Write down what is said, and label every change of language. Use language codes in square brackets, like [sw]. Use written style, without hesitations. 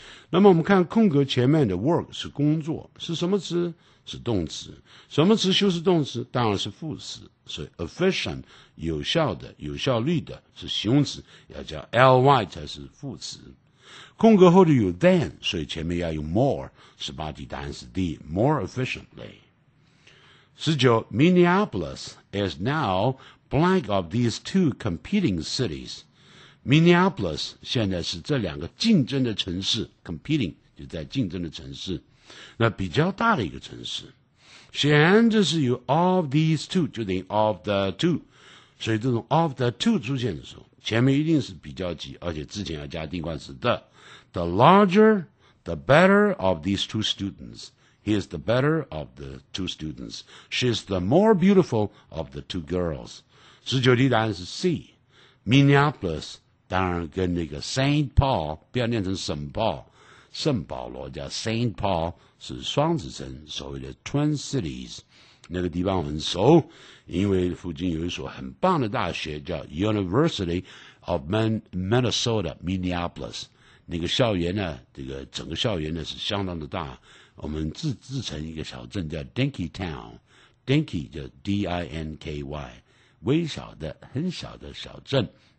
[zh] 那么我们看空格前面的 work 是工作，是什么词？是动词。什么词修饰动词？当然是副词。所以 efficient 有效的、有效率的是形容词，要叫 ly 才是副词。空格后的有 than， 所以前面要用 more。 18题答案是 D， [en] more efficiently。 [zh] 19 [en] Minneapolis is now blank of these two competing cities。 [zh] Minneapolis 现在是这两个竞争的城市 competing 就在竞争的城市，那比较大的一个城市，显然这是有 of these two 就等于 of the two， 所以这种 of the two 出现的时候前面一定是比较级，而且之前要加定冠词 [en] the larger the better of these two students， he is the better of the two students， she is the more beautiful of the two girls。 [zh] 19题答案是 CMinneapolis 当然跟那个 Saint Paul 不要念成圣保，圣保罗叫 Saint Paul 是双子城，所谓的 Twin Cities，那个地方很熟，因为附近有一所很棒的大学叫 University of Minnesota Minneapolis， 那个校园呢，这个整个校园呢是相当的大，我们自成一个小镇叫 Dinky Town， Dinky 叫 D-I-N-K-Y，微小的很小的小镇，